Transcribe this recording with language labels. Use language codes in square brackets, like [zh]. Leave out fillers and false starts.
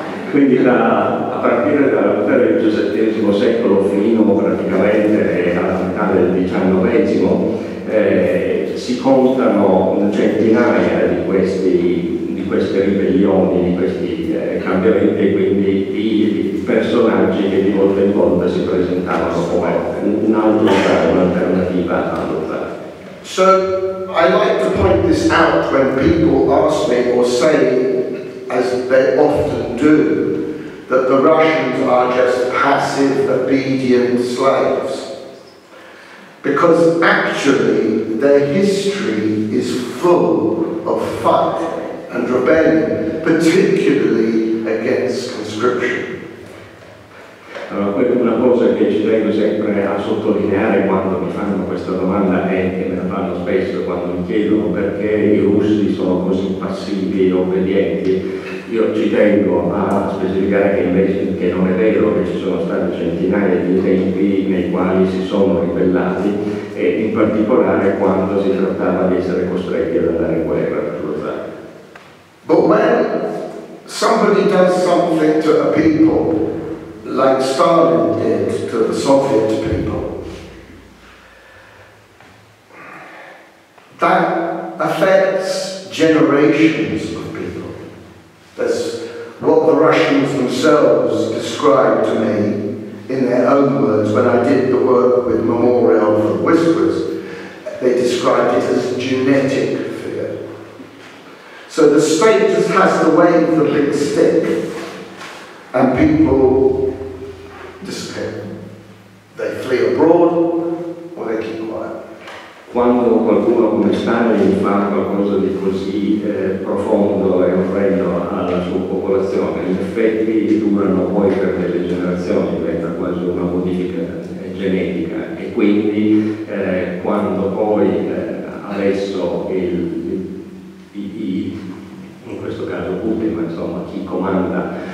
[it] Quindi a partire dalla metà del XVII secolo fino praticamente alla metà del XIX, si contano centinaia di questi, di queste ribellioni, di questi cambiamenti, e quindi i personaggi che di volta in volta si presentavano come un'alternativa a lottare. [en] So I like to point this out when people ask me or say, as they often do, that the Russians are just passive, obedient slaves. Because actually, their history is full of fight and rebellion, particularly against conscription. [it] Allora, una cosa che ci tengo sempre a sottolineare quando mi fanno questa domanda, e che me la fanno spesso quando mi chiedono perché i russi sono così passivi e obbedienti, io ci tengo a specificare che invece che non è vero, che ci sono stati centinaia di tempi nei quali si sono ribellati, e in particolare quando si trattava di essere costretti ad andare in guerra per lottare. [en] But when somebody does something to a people, like Stalin did to the Soviet people, that affects generations of people. That's what the Russians themselves described to me in their own words when I did the work with Memorial for the Whispers. They described it as genetic fear. So the state just has to wave the big stick and people disappear. They flee abroad or they keep quiet. [it] Quando qualcuno come Stalin fa qualcosa di così profondo e orrendo alla sua popolazione, in effetti durano poi per delle generazioni, diventa quasi una modifica genetica, e quindi quando poi adesso in questo caso Putin, ma insomma chi comanda,